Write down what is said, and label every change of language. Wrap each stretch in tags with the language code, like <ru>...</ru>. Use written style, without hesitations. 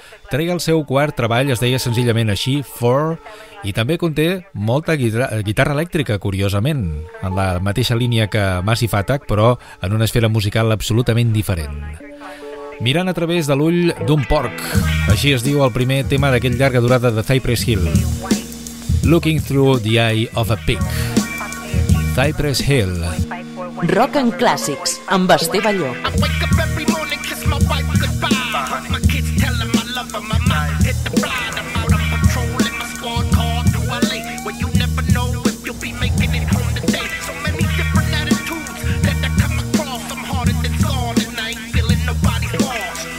<ca>Treia el seu quart treball, es deia senzillament així, Four, i també conté molta guitarra elèctrica, curiosament, en la mateixa línia que Massive Attack, però en una esfera musical absolutament diferent. Mirant a través de l'ull d'un porc, així es diu el primer tema d'aquest llarga durada de Cypress Hill.</ca> <en>Looking through the eye of a pig. Cypress Hill.</en> <ca>Rock and Classics, amb Esteve Llo.</ca> <en>I wake up every morning, kiss my wife goodbye. My kids tell them I love them, my mind hit the blind. I'm out of patrol in my squad car through LA, where you never know if you'll be making it home today. So many different attitudes that I come across. I'm harder than scorn and I ain't feeling nobody's boss.</en>